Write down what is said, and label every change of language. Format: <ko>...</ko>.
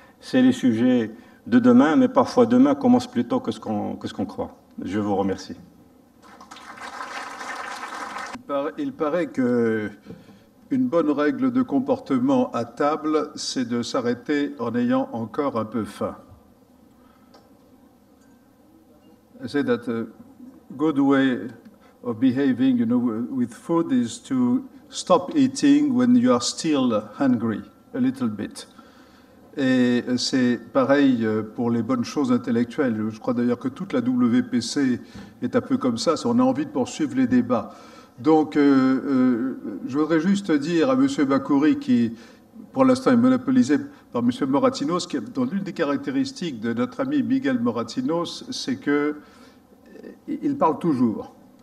<fr>C'est les sujets de demain, mais parfois demain commence plus tôt que ce qu'on croit. Je vous remercie. Il paraît que une bonne règle de comportement à table, c'est de s'arrêter en ayant encore un peu faim.</fr> <en>I say that a good way of behaving, with food is to stop eating when you are still hungry, a little bit.</en> <fr>Et c'est pareil pour les bonnes choses intellectuelles. Je crois d'ailleurs que toute la WPC est un peu comme ça, si on a envie de poursuivre les débats. Donc, je voudrais juste dire à Monsieur Bakoury, qui pour l'instant est monopolisé par Monsieur Moratinos, que dans l'une des caractéristiques de notre ami Miguel Moratinos, c'est que il parle toujours.</fr>